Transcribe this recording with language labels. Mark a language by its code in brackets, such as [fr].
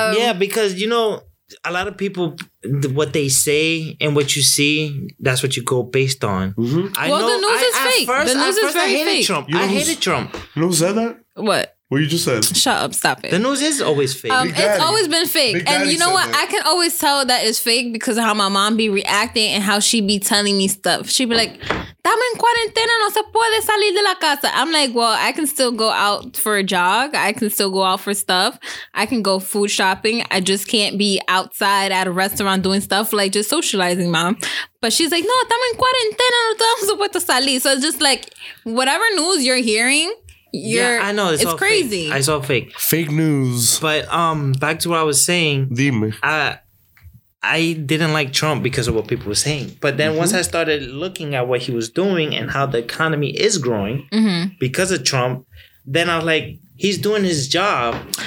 [en] Yeah, because, you know, a lot of people, what they say and what you see, that's what you go based on. Mm-hmm. The news is fake. At first, I hated Trump. I hated Trump. You know who said that? What? What you just said. Shut up. Stop it. The news is always fake. It's always been fake. And you know what? I can always tell that it's fake because of how my mom be reacting and how she be telling me stuff. She be like, [es] "Estamos en cuarentena, no se puede salir de la casa." [en] I'm like, well, I can still go out for a jog. I can still go out for stuff. I can go food shopping. I just can't be outside at a restaurant doing stuff, like just socializing, mom. But she's like, [es] "No, estamos en cuarentena, no se puede salir." [en] So it's just like, whatever news you're hearing, it's all crazy. Fake news. But back to what I was saying. [es] Dime. [en] I didn't like Trump because of what people were saying. But then once I started looking at what he was doing and how the economy is growing because of Trump, then I was like, he's doing his job.